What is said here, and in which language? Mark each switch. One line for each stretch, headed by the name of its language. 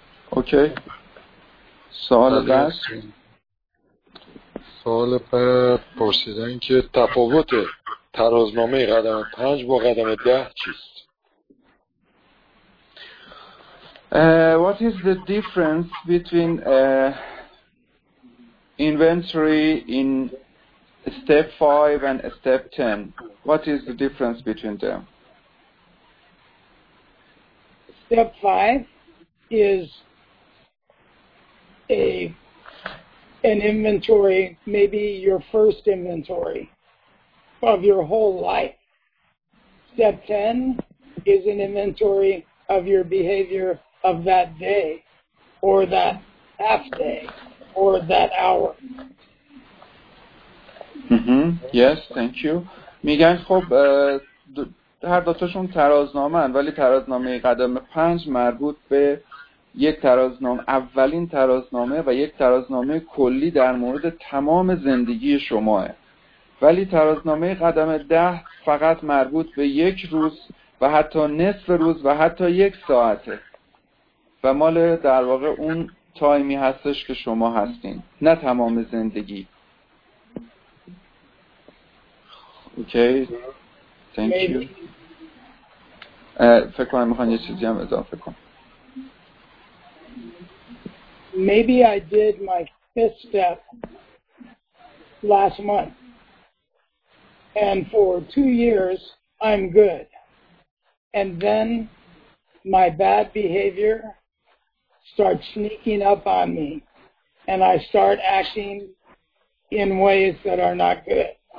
Persian: اوکی. سوال بعد. سوال بعد پرسیدن که تفاوت ترازنامه قدم 5 با قدم 10 چیست؟
English: What is the difference between inventory in step 5 and step 10? What is the difference between them? Step 5 is an inventory, maybe your first inventory of your whole life. Step 10 is an inventory of your behavior of that day or that half day or that hour. Mm-hmm. Yes, thank you.
Persian: میگن خب هر دوتاشون ترازنامه هن، ولی ترازنامه قدم 5 مربوط به یک ترازنامه، اولین ترازنامه و یک ترازنامه کلی در مورد تمام زندگی شماه، ولی ترازنامه قدم 10 فقط مربوط به یک روز و حتی نصف روز و حتی یک ساعته و مال در واقع اون تایمی هستش که شما هستین، نه تمام زندگی.
English: Okay, thank Maybe. You.
Persian: فکر کنم میخوان یه چیزی هم اضافه کنم.
English: Maybe I did my 5th step last month, and for 2 years I'm good. And then my bad behavior starts sneaking up on me, and I start acting in ways that are not good.